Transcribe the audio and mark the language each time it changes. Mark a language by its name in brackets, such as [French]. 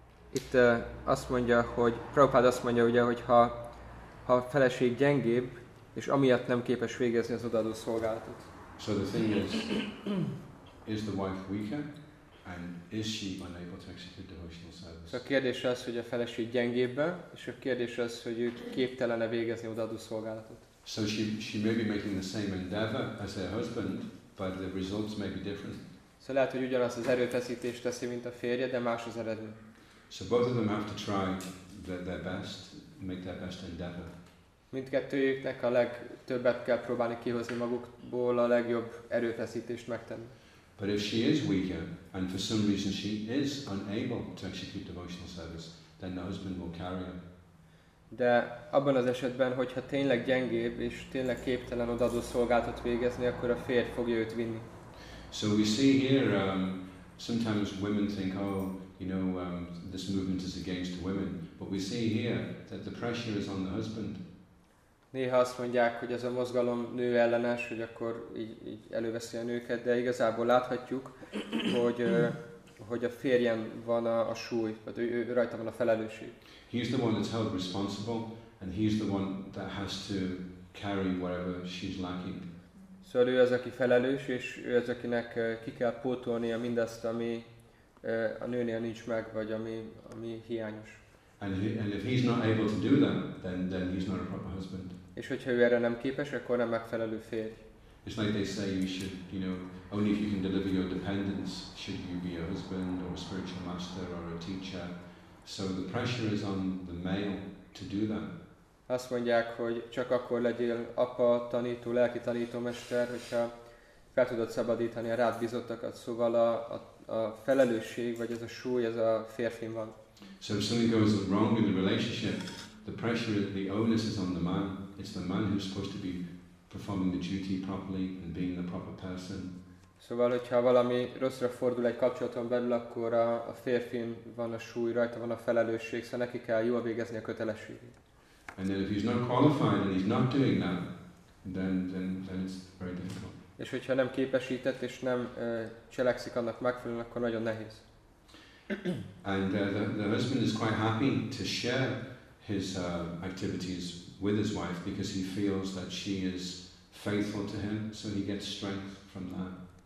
[Hungarian] Itt azt mondja, hogy Prabhupád azt mondja, ugye, hogy ha a feleség gyengébb, és amiatt nem képes végezni az odaadó szolgálatot. [English] So the thing is the wife weaker, and is she unable to execute devotional service? [Hungarian] A kérdés az, hogy a feleség gyengébben, és a kérdés az, hogy ő képtelen-e végezni odaadó szolgálatot. [English] So she may be making the same endeavor as her husband, but the results may be different. [Hungarian] So lehet, hogy ugyanaz az erőfeszítést teszi, mint a férje, de más az eredmény. [English] So both of them have to try their best, make their best endeavor. [Hungarian] Mindkettőjüknek a legtöbbet kell próbálni kihozni magukból, a legjobb erőfeszítést megtenni. [English] But if she is weaker, and for some reason she is unable to execute devotional service, then the husband will carry her. [Hungarian] De abban az esetben, hogyha tényleg gyengébb, és tényleg képtelen odaadó szolgálatot végezni, akkor a férj fogja őt vinni. [English] So we see here, sometimes women think, oh, you know, this movement is against women. But we see here that the pressure is on the husband. [Hungarian] Néha azt mondják, hogy ez a mozgalom nő ellenes, hogy akkor így előveszi a nőket, de igazából láthatjuk, hogy hogy a férjen van a súly, vagy ő rajta van a felelősség. [English] He's the one that's held responsible, and he's the one that has to carry whatever she's lacking. [Hungarian] Szóval ő az, aki felelős, és ő az, akinek ki kell pótolnia mindazt, ami a nőnél nincs meg, vagy ami hiányos. [English] And if he's not able to do that, then he's not a proper husband. [Hungarian] És hogyha ő erre nem képes, akkor nem megfelelő férj. [English] It's like they say, you should, you know, only if you can deliver your dependents should you be a husband or a spiritual master or a teacher. So the pressure is on the male to do that. [Hungarian] Azt mondják, hogy csak akkor legyél apa, tanító, lelki tanító mester, hogyha fel tudod szabadítani a rád bizottakat. Szóval a felelősség, vagy ez a súly, ez a férfin van. [English] So if something goes wrong in the relationship, the pressure, the onus is on the man. It's the man who's supposed to be performing the duty properly and being the proper person. [Hungarian] Szóval, hogyha valami rosszra fordul egy kapcsolaton belül, akkor a férfin van a súly, rajta van a felelősség, szóval neki kell jól végezni a kötelességét. [English] And then if he's not qualified and he's not doing that, then it's very difficult. [Hungarian] És hogyha nem képesített és nem cselekszik annak megfelelően, akkor nagyon nehéz. [English] And the husband is quite happy to share his activities with his wife because he feels that she is faithful to him, so he gets strength from that.